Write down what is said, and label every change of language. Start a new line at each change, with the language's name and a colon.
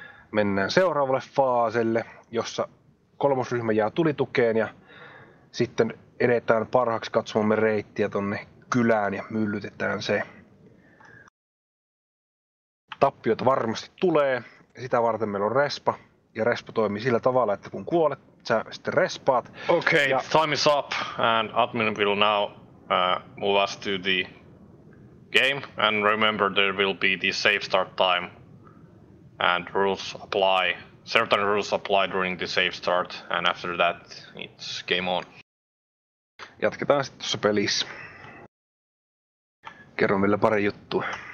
Finnish: Mennään seuraavalle faaselle, jossa 3. ryhmä jää tulitukeen ja sitten edetään parhaaksi katsomamme reittiä tuonne kylään ja myllytetään se. Tappiot varmasti tulee. Sitä varten meillä on respa. Ja respa toimii sillä tavalla, että kun kuolet, sä sitten respaat.
English: Okay,
Finnish: ja
English: time is up and admin will now move us to the game. And remember there will be the save start time. And rules apply. Certain rules apply during the save start and after that it's game on.
Finnish: Jatketaan sitten tuossa pelissä. Kerron vielä pari juttua.